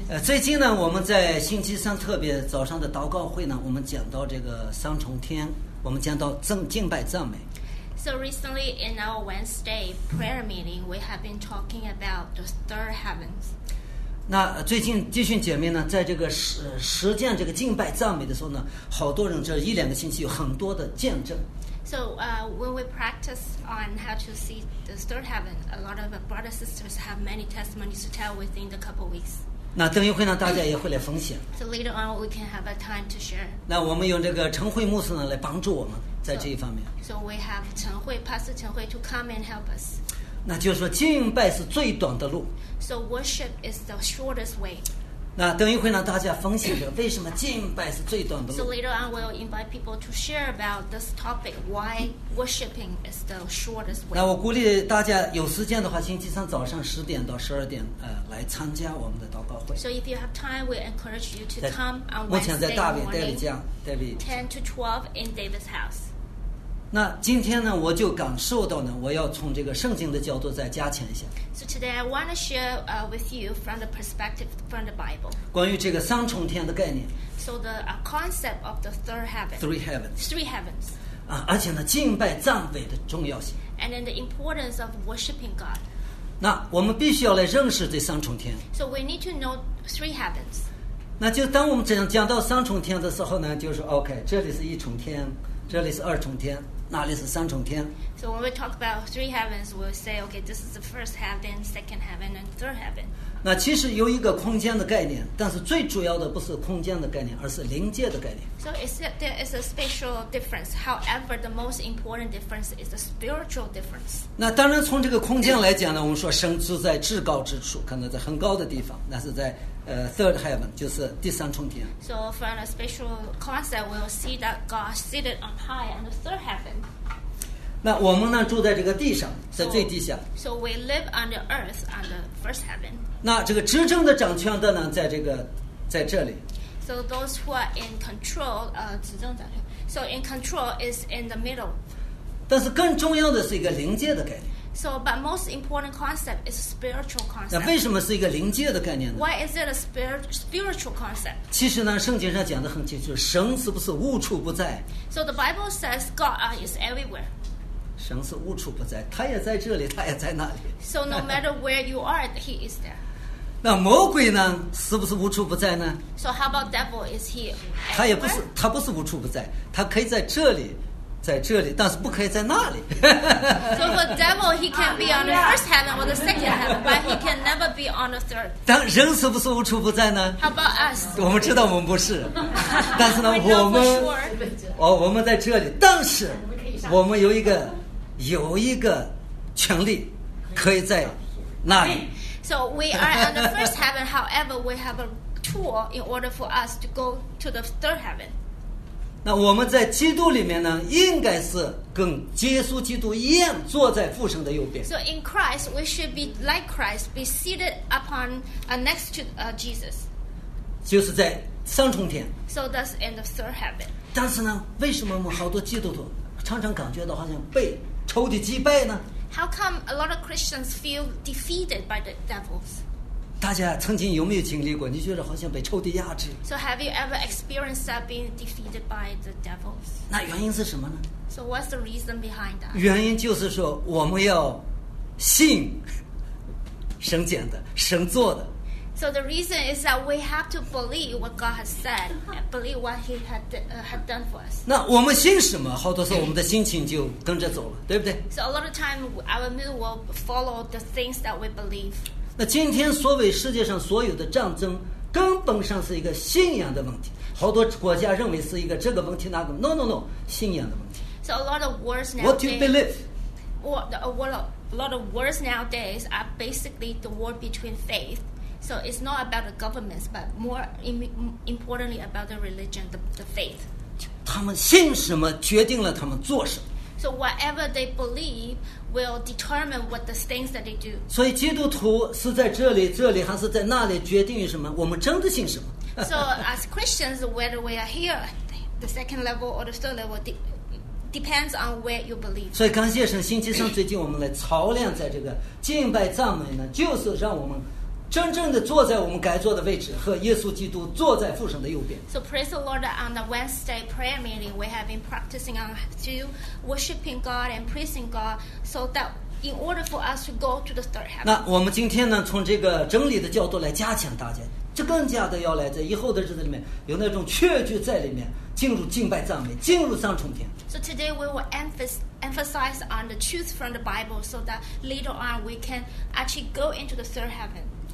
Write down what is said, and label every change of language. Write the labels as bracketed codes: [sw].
[zh] 最近呢，我们在星期三特别早上的祷告会呢，我们讲到这个三重天，我们讲到敬拜赞美。 [en] So recently in our Wednesday prayer meeting, we have been talking about the third heavens. [zh] 那最近弟兄姐妹呢，在这个实践这个敬拜赞美的时候呢，好多人这一两个星期有很多的见证。 [en] So when we practice on how to see the third heaven, a lot of brothers and sisters have many testimonies to tell within the couple weeks. [zh] 那灯一会呢，大家也会来分享。 [en] So later on, we can have a time to share. [zh] 那我们用这个陈慧牧师呢来帮助我们在这一方面。 [en] So we have 陈慧 Pastor 陈慧 to come and help us. [zh] 那就是说敬拜是最短的路。 [en] So worship is the shortest way. [zh] 那灯一会呢，大家分享着为什么敬拜是最短的路。 [en] So later on, we'll invite people to share about this topic, why worshiping is the shortest way. [zh] 那我鼓励大家有时间的话，星期三早上10点到12点，来参加我们的祷告。 [en] So if you have time, we encourage you to come on Wednesday [zh] 目前在大卫戴维家 [en] 10 to 12 in David's house. [zh] 那今天呢，我就感受到呢，我要从这个圣经的角度再加强一下。 [en] So today I want to share with you from the perspective from the Bible. [zh] 关于这个三重天的概念。 [en] So the concept of the third heaven. Three heavens. 啊， [zh] 而且呢，敬拜赞美的重要性。 [en] And then the importance of worshiping God. [zh] 那我们必须要来认识这三重天。 [en] So we need to know three heavens. [zh] 那就当我们讲到三重天的时候呢，就是 OK， 这里是一重天，这里是二重天，那里是三重天。 [en] So when we talk about three heavens, we'll say, okay, this is the first heaven, second heaven, and third heaven. [zh] 那其实有一个空间的概念，但是最主要的不是空间的概念，而是灵界的概念。 [en] So there is a spatial difference. However, the most important difference is the spiritual difference. [zh] 那当然从这个空间来讲呢，我们说神住在至高之处，可能在很高的地方，那是在 [en] third heaven， [zh] 就是第三重天。 [en] So from a spatial concept, we'll see that God seated on high on the third heaven. [zh] 那我们呢住在这个地上，在最地下。 [en] So we live on the earth, on the first heaven. [zh] 那这个执政的、掌权的呢，在这个，在这里。 [en] So those who are in control, [zh] 执政掌权。 [en] So in control is in the middle. [zh] 但是更重要的是一个灵界的概念。 [en] So, but most important concept is spiritual concept. [zh] 那为什么是一个灵界的概念呢 [en] ？Why is it a spiritual concept? [zh] 其实呢，圣经上讲的很清楚，神是不是无处不在 [en] ？So the Bible says God is everywhere. [zh] 神是无处不在，他也在这里，他也在那里。 [en] So no matter where you are, he is there. [zh] 那魔鬼呢？是不是无处不在呢 [en] ？So how about devil? Is he? [zh] 他也不是，他不是无处不在，他可以在这里，在这里，但是不可以在那里。 [en] So for devil, he can be on the first heaven or the second heaven, but he can never be on the third. [zh] 但人是不是无处不在呢 [en] ？How about us? [zh] 我们知道我们不是，但是呢， [en] <know for sure. [zh] 笑> 我们在这里，但是我们有一个。有一个权利可以在那里。 [en] So we are on the first heaven. However, we have a tool in order for us to go to the third heaven. [zh] 那我们在基督里面呢，应该是跟耶稣基督一样坐在父神的右边。 [en] So in Christ, we should be like Christ, be seated upon next to Jesus. [zh] 就是在三重天。 [en] So that's in the third heaven. [zh] 但是呢，为什么我们好多基督徒常常感觉到好像被仇敌击败呢 [en] ？How come a lot of Christians feel defeated by the devils？ [zh] 大家曾经有没有经历过？你觉得好像被仇敌压制 [en] ？So have you ever experienced that being defeated by the devils？ [zh] 那原因是什么呢 [en] ？So what's the reason behind that？ [zh] 原因就是说我们要信神讲的、神做的。 [en] So the reason is that we have to believe what God has said, believe what He had done for us. [zh] 那我们信什么？好多时候我们的心情就跟着走了，对不对 [en] ？So a lot of time our mood will follow the things that we believe. [zh] 那今天所谓世界上所有的战争，根本上是一个信仰的问题。好多国家认为是一个这个问题那个 ，No， 信仰的问题。 [en] So a lot of wars now. What do you believe? A lot of wars nowadays are basically the war between faith. So it's not about the governments, but more importantly about the religion, the faith. [zh] 他们信什么决定了他们做什么。 [en] So whatever they believe will determine what the things that they do. [zh] 所以基督徒是在这里，这里还是在那里，决定于什么？我们真的信什么 [en] ？So as Christians, whether we are here, the second level or the third level, depends on where you believe. [zh] 所以感谢神，星期三最近我们来操练在这个敬拜赞美呢，就是让我们。真正的坐在我们该坐的位置，和耶稣基督坐在父神的右边。 [en] So praise the Lord on the Wednesday prayer meeting, we have been practicing on to worshiping God and praising God, so that in order for us to go to the third heaven. [zh] 那我们今天呢，从这个真理的角度来加强大家，这更加的要来在以后的日子里面有那种确据在里面，进入敬拜赞美，进入三重天。 [en] So today we will emphasize on the truth from the Bible, so that later on we can actually go into the third heaven.